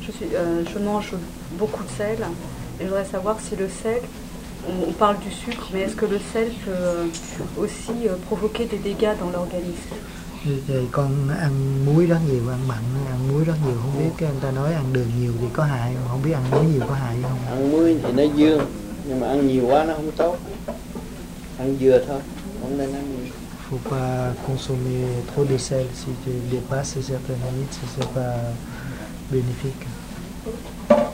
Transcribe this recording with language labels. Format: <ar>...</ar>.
<fr>Je mange beaucoup de sel et je voudrais savoir si le sel. On parle du sucre, mais est-ce que le sel peut aussi provoquer des dégâts dans l'organisme?</fr> <vi>Con ăn muối rất nhiều, ăn mặn, ăn muối rất nhiều, không biết cái người ta nói ăn đường nhiều thì có hại, không biết ăn muối nhiều có hại không? Ăn muối thì nó dương, nhưng mà ăn nhiều quá nó không tốt. Ăn dừa thôi, không nên ăn nhiều.</vi> <fr>Faut pas consommer trop de sel, si tu dépasses certaines limites, ce n'est pas bénéfique.</fr>